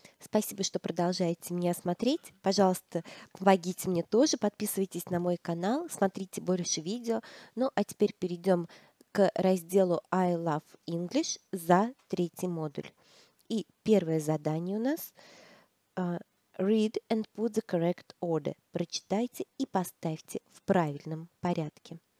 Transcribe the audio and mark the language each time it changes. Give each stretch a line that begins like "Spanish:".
Russian: Спасибо, что продолжаете меня смотреть. Пожалуйста, помогите мне тоже. Подписывайтесь на мой канал, смотрите больше видео. Ну, а теперь перейдем к разделу I Love English за третий модуль. И первое задание у нас
English: Read and put the correct order.
Russian: Прочитайте и поставьте в правильном порядке.